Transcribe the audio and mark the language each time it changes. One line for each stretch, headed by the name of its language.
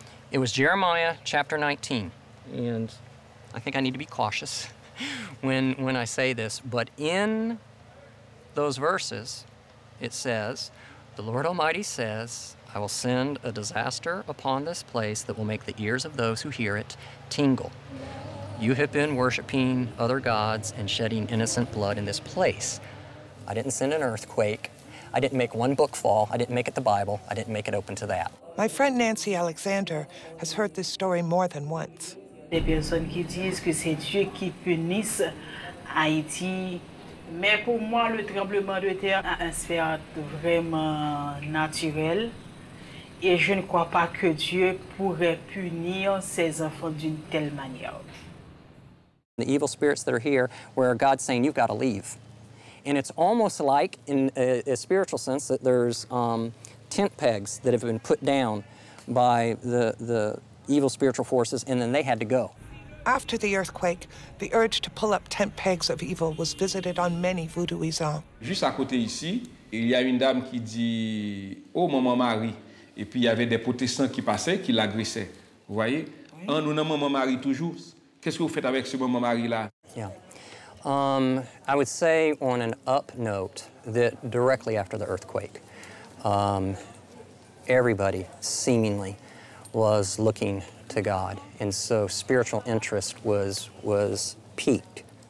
English: It was Jeremiah chapter 19. And I think I need to be cautious when I say this, but in those verses, it says, the Lord Almighty says, I will send a disaster upon this place that will make the ears of those who hear it tingle. You have been worshiping other gods and shedding innocent blood in this place. I didn't send an earthquake. I didn't make one book fall. I didn't make it the Bible. I didn't make it open to that. My friend Nancy Alexander has heard this story more than once.
French: Des personnes qui disent que c'est Dieu qui punisse Haïti. Mais pour moi, le tremblement de terre a un aspect vraiment naturel. Et je ne crois pas que Dieu pourrait punir ses enfants d'une telle manière.
English: The evil spirits that are here, where God's saying, you've got to leave. And it's almost like, in a spiritual sense, that there's tent pegs that have been put down by the evil spiritual forces, and then they had to go. After the earthquake, the urge to pull up tent pegs of evil was visited on many voodooisans.
French: Juste à côté ici, il y a une dame qui dit, oh, maman Marie. Et puis il y avait des protestants qui passaient, qui l'agressaient. Vous voyez? Oui. En nous, non, maman Marie, toujours. Qu'est-ce que vous faites avec ce maman Marie-là?
English: Yeah. I would say on an up note that directly after the earthquake, everybody seemingly was looking to God, and so spiritual interest was peaked.